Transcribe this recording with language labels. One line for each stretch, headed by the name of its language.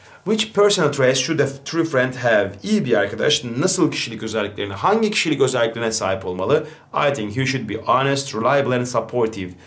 English: Which personal traits should a true friend have?
Turkish: İyi bir arkadaş nasıl kişilik özelliklerine, hangi kişilik özelliklerine sahip olmalı?
English: I think he should be honest, reliable and supportive.